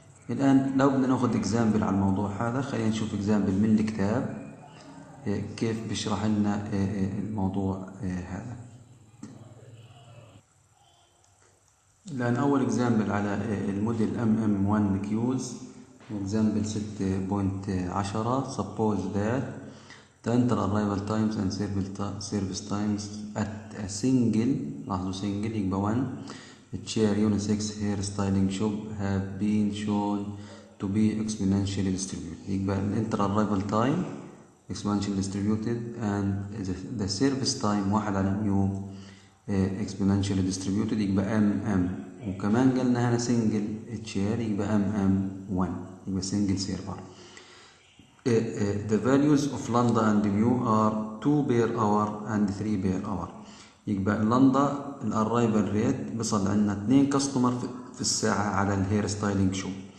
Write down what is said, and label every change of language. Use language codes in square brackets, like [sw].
[ar] الآن لو بدنا ناخد إكزامبل على الموضوع هذا، خلينا نشوف إكزامبل من الكتاب كيف بيشرح لنا الموضوع هذا. الآن أول إكزامبل على الموديل MM1Qs، إكزامبل 6.10. [en] Suppose that the enter arrival times and service times at a single، [ar] لاحظوا single يبقى 1، [en] chair unisex hair styling shop have been shown to be exponentially distributed. يبقى ال inter arrival time exponentially distributed and the service time 1 على mu exponentially distributed يبقى mm. [ar] وكمان قالنا هنا single chair يبقى mm 1 يبقى single server. [en] The values of lambda and mu are 2 per hour and 3 per hour. [ar] يبقى لندا الارايفل ريت بصل عندنا 2 كاستمر في الساعه على [en] الهير styling shop.